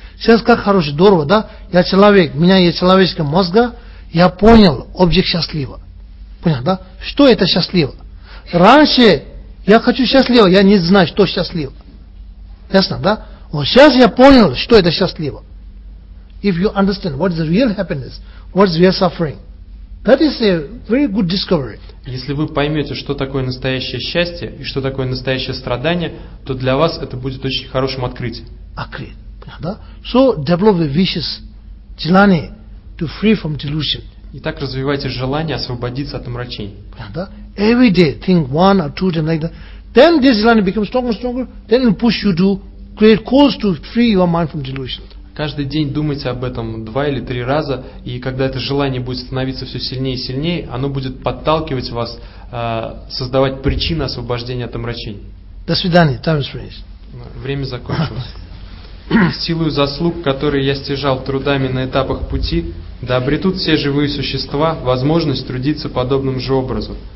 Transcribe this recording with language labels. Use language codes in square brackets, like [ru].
[ru] Сейчас как хорошо, здорово, да? Я человек, у меня есть человеческий мозг, я понял, объект счастлива. Понял, да? Что это счастливо? Раньше я хочу счастливо, я не знаю, что счастливо. Ясно, да? Вот сейчас я понял, что это счастливо. [en] If you understand what is the real happiness, what is real suffering, that is a very good discovery. [ru] Если вы поймете, что такое настоящее счастье и что такое настоящее страдание, то для вас это будет очень хорошим открытием. Открыт, понятно, да? [en] So develop the wishes, jilani, to free from delusion. [ru] И так развивайте желание освободиться от омрачений. Понятно, да? [en] Every day think one or two times like that. Then this jilani becomes stronger and stronger. Then it push you to create cause to free your mind from delusion. [ru] Каждый день думайте об этом два или три раза, и когда это желание будет становиться все сильнее и сильнее, оно будет подталкивать вас создавать причины освобождения от омрачений. До свидания. [en] Time is finished. [ru] Время закончилось. Силою заслуг, которые я стяжал трудами на этапах пути, да обретут все живые существа возможность трудиться подобным же образом.